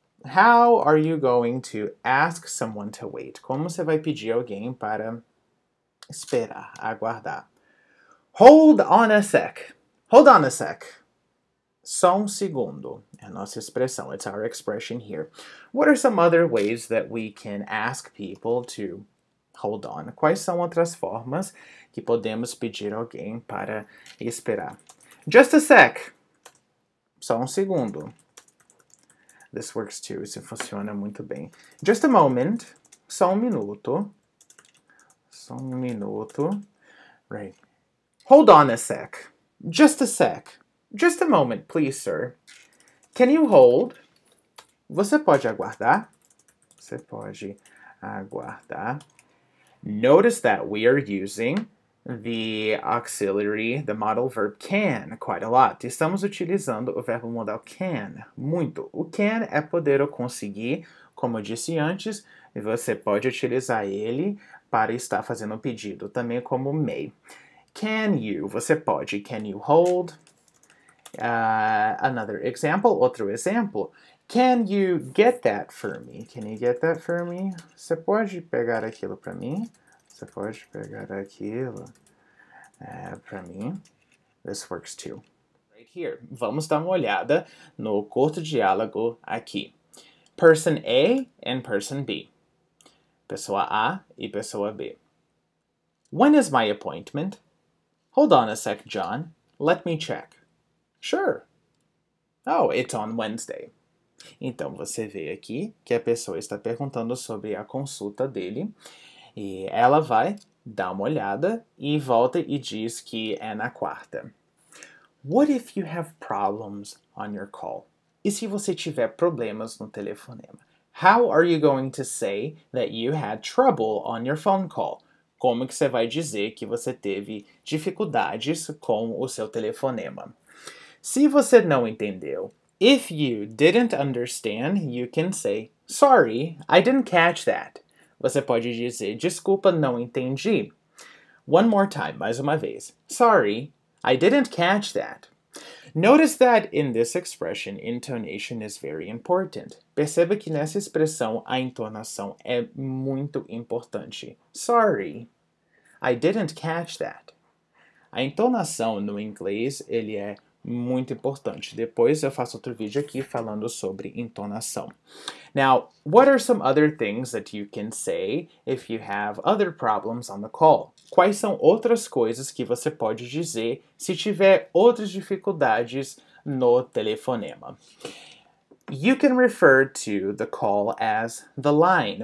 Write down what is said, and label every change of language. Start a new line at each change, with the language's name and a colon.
English: How are you going to ask someone to wait?
Portuguese: Como você vai pedir alguém para esperar, aguardar?
English: Hold on a sec.
Portuguese: Hold on a sec. Só um segundo. É a nossa expressão.
English: It's our expression here. What are some other ways that we can ask people to hold on?
Portuguese: Quais são outras formas que podemos pedir alguém para esperar?
English: Just a sec.
Portuguese: Só um segundo.
English: This works too.
Portuguese: Isso funciona muito bem.
English: Just a moment.
Portuguese: Só um minuto. Só um minuto.
English: Right. Hold on a sec. Just a sec. Just a moment, please, sir. Can you hold?
Portuguese: Você pode aguardar? Você pode aguardar.
English: Notice that we are using the auxiliary, the modal verb can, quite a lot.
Portuguese: Estamos utilizando o verbo modal can, muito. O can é poder ou conseguir, como eu disse antes, e você pode utilizar ele para estar fazendo um pedido, também como may.
English: Can you?
Portuguese: Você pode.
English: Can you hold? Another example,
Portuguese: outro exemplo.
English: Can you get that for me? Can you get that for me?
Portuguese: Você pode pegar aquilo para mim? Você pode pegar aquilo para mim?
English: This works too. Right here.
Portuguese: Vamos dar uma olhada no curto diálogo aqui.
English: Person A and person B.
Portuguese: Pessoa A e pessoa B.
English: When is my appointment? Hold on a sec, John. Let me check. Sure. Oh, it's on Wednesday.
Portuguese: Então, você vê aqui que a pessoa está perguntando sobre a consulta dele. E ela vai dar uma olhada e volta e diz que é na quarta.
English: What if you have problems on your call?
Portuguese: E se você tiver problemas no telefonema?
English: How are you going to say that you had trouble on your phone call?
Portuguese: Como que você vai dizer que você teve dificuldades com o seu telefonema? Se você não entendeu,
English: if you didn't understand, you can say, sorry, I didn't catch that.
Portuguese: Você pode dizer, desculpa, não entendi.
English: One more time,
Portuguese: mais uma vez.
English: Sorry, I didn't catch that. Notice that in this expression, intonation is very important.
Portuguese: Perceba que nessa expressão, a entonação é muito importante.
English: Sorry, I didn't catch that.
Portuguese: A entonação no inglês, ele é muito importante. Depois eu faço outro vídeo aqui falando sobre entonação.
English: Now, what are some other things that you can say if you have other problems on the call?
Portuguese: Quais são outras coisas que você pode dizer se tiver outras dificuldades no telefonema?
English: You can refer to the call as the line.